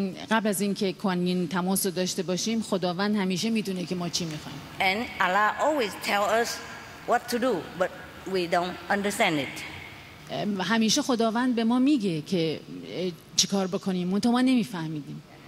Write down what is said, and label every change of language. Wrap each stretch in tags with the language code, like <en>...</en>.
<fa>قبل از این که کوانین تماس داشته باشیم خداوند همیشه میدونه که ما چی میخوایم.</fa> <en>And Allah always tell us what to do, but we don't understand it.</en> <fa>همیشه خداوند به ما میگه که چیکار بکنیم، منتها ما نمیفهمیدیم.</fa>